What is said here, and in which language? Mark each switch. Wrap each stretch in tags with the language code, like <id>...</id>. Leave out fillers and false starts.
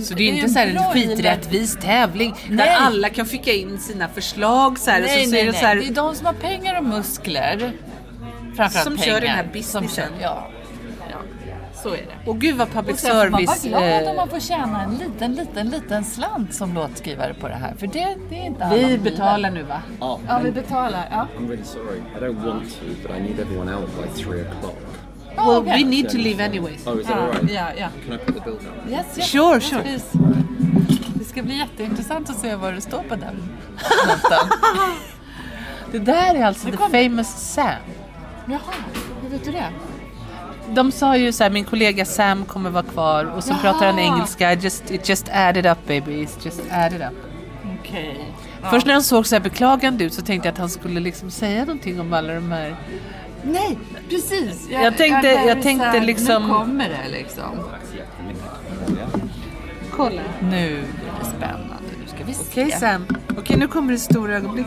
<sv>så det är inte så här en skiträttvis tävling där alla kan skicka in sina förslag så här, nej. Så här, det är de som har pengar och muskler som kör den här businessen. Som, ja. Så är det. Och gud vad public service. Man var glad om man får tjäna en liten slant som låtskrivare på det här. För det är inte vi betalar nu va? Ja, vi betalar. Ja.</sv> <en>I'm really sorry. I don't want to, but I need everyone out by 3:00. Well, okay. We need to leave anyways. Oh, is that right? Yeah. Can I put the bill down? Yes. Sure. Please.</en> <sv>Det ska bli jätteintressant att se vad det står på den. Det där är alltså</sv> <en>the famous Sam.</en> <sv>Jaha, hur vet du det? De sa ju så här, min kollega Sam kommer vara kvar. Och så pratar han engelska.</sv> <en>It just added up baby, it just added up.</en> <sv>Okej. Först när han såg så här beklagande ut så tänkte jag att han skulle liksom säga någonting om alla de här. Nej, precis. Jag tänkte liksom, nu kommer det liksom. Kolla. Nu är det spännande, nu ska vi se. Okej Sam, okej, nu kommer det stora ögonblick.</sv>